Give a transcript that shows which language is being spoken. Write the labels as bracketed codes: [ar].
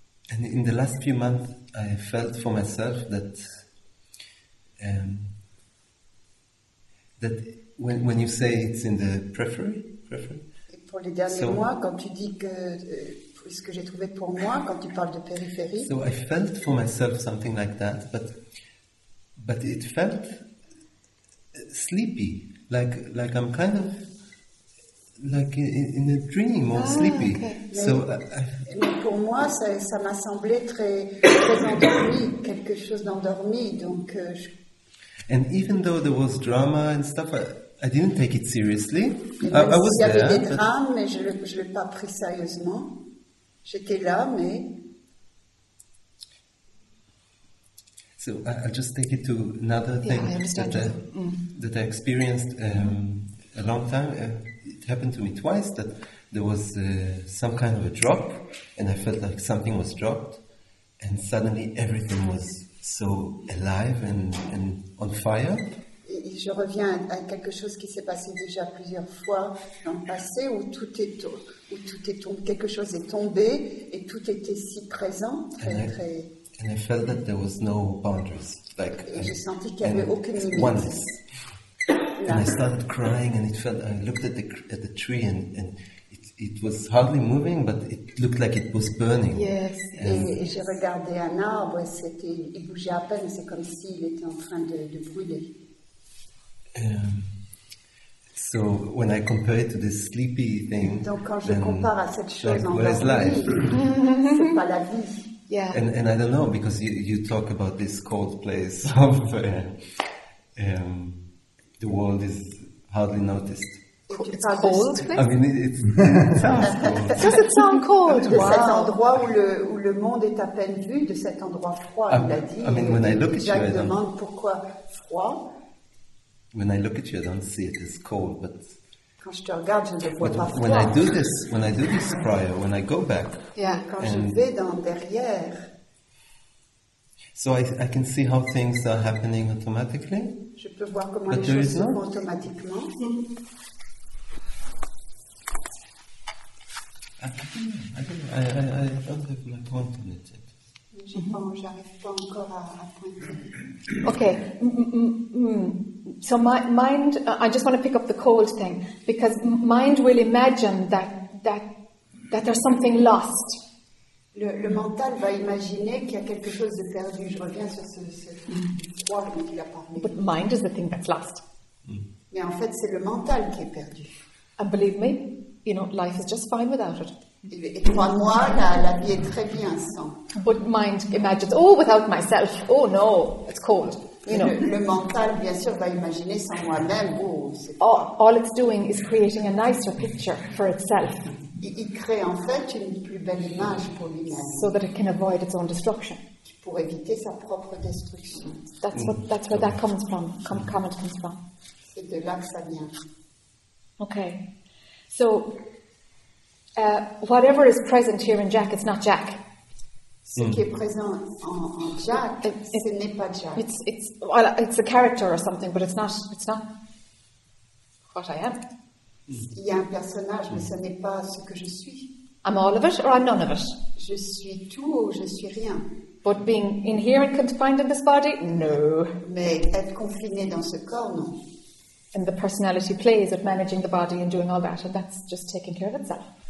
[en] And in the last few months, I felt for myself that. That when you say it's in the periphery. [fr] Pour les derniers mois, quand tu dis que. Ce que j'ai trouvé pour moi quand tu parles de périphérie. [en] So I felt for myself something like that, but it felt sleepy, like I'm kind of like in a dream or sleepy. Okay. [fr] So pour moi ça m'a semblé très très endormi, quelque chose d'endormi, donc. [en] And even though there was drama and stuff, I didn't take it seriously. I was there. [fr] Il y avait des drames, mais je l'ai pas pris sérieusement. J'étais là, mais. [en] So I'll just take it to another thing that I experienced a long time. It happened to me twice that there was some kind of a drop, and I felt like something was dropped, and suddenly everything was so alive and on fire. [fr] Et je reviens à quelque chose qui s'est passé déjà plusieurs fois dans le passé où quelque chose est tombé et tout était si présent, [en] And I felt that there was no boundaries. Like, [fr] et j'ai senti qu'il n'y avait aucune limite. [en] And I started crying and it felt. I looked at the tree and it was hardly moving, but it looked like it was burning. Yes. [fr] Et j'ai regardé un arbre et il bougeait à peine. C'est comme s'il était en train de brûler. [en] So when I compare it to this sleepy thing, [fr] donc quand je compare à cette chose [en] like, what is life? [fr] C'est pas la vie. [en] Yeah. And I don't know because you talk about this cold place of the world is hardly noticed. It's cold. I mean, it sounds cold. Does it sound cold? [fr] De cet endroit où le monde est à peine vu, de cet endroit froid, il a dit. [en] I mean, when I look at you, I don't. [fr] Pourquoi froid? [en] When I look at you, I don't see it as cold, but. [fr] Quand je te regarde, je ne vois pas froid. [en] When I do this, prior, when I go back. [fr] Yeah. Quand je vais dans derrière. [en] So I can see how things are happening automatically. [fr] Je peux voir comment les choses se font automatiquement. [en] I don't have my point on it yet. Okay. So my mind, I just want to pick up the cold thing, because mind will imagine that there's something lost. [fr] Le mental va imaginer qu'il y a quelque chose de perdu. Je reviens sur ce froid dont il a parlé. [en] But mind is the thing that's lost. [fr] Mais en fait, c'est le mental qui est perdu. [en] And believe me, you know, life is just fine without it. [fr] Et crois-moi, la vie est très bien sans. [en] But mind imagines, oh, without myself, oh no, it's cold. You know. [fr] Le mental, bien sûr, va imaginer sans moi-même, oh, c'est [en] cold. All it's doing is creating a nicer picture for itself. [fr] Il crée en fait une plus belle image pour lui-même. [en] So that it can avoid its own destruction. [fr] Pour éviter sa propre destruction. [en] That's where that comes from, comment comes from. [fr] C'est de là que ça vient. [en] Okay. So, whatever is present here in Jack, it's not Jack. [fr] Ce qui est présent en Jack, ce n'est pas Jack. [en] It's well, it's a character or something, but it's not what I am. [fr] Il y a un personnage, mais ce n'est pas ce que je suis. [en] I'm all of it or I'm none of it. [fr] Je suis tout ou je suis rien. [en] But being in here and confined in this body, no. [fr] Mais être confiné dans ce corps, non. [en] And the personality plays at managing the body and doing all that, and that's just taking care of itself.